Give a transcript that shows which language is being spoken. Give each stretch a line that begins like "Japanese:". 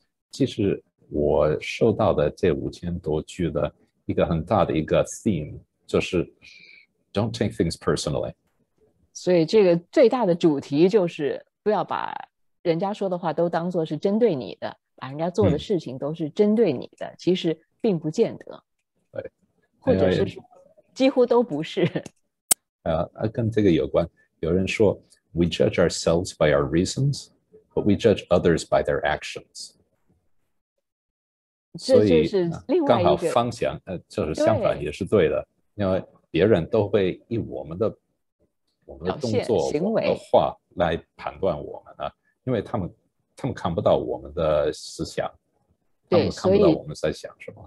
Chinese: 其实我受到的这5000多句的一个很大的一个 theme 就是
English: don't take things personally。
Chinese: 所以这个最大的主题就是不要把人家说的话都当做是针对你的，把人家做的事情都是针对你的，其实并不见得。或者是几乎都不是。跟这个有关，有人说
English: ,we judge ourselves by our reasons, but we judge others by their actions。
Chinese: 这就是另外一个刚好方向，就是相反也是对的，因为别人都会以我们的动作、行为的话来判断我们啊，因为他们看不到我们的思想，他们看不到我们在想什么。